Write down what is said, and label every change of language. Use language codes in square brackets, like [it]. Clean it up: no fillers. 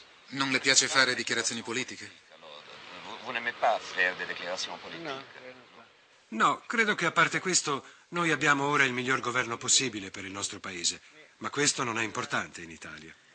[it] Non le piace fare dichiarazioni politiche? [fr] Vous n'aimez pas faire des déclarations politiques? [it] No, credo che a parte questo, noi abbiamo ora il miglior governo possibile per il nostro paese. Ma questo non è importante in Italia.